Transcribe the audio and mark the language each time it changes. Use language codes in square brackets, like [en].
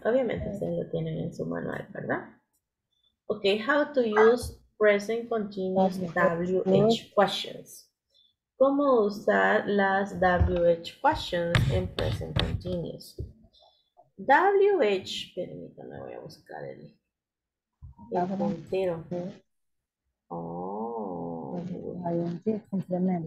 [es] Obviamente ustedes lo tienen en su manual, ¿verdad? [en] Okay, how to use present continuous WH questions. [es] ¿Cómo usar las WH questions en present continuous? WH, permítanme, voy a buscar el puntero. Oh, [en] ING complement.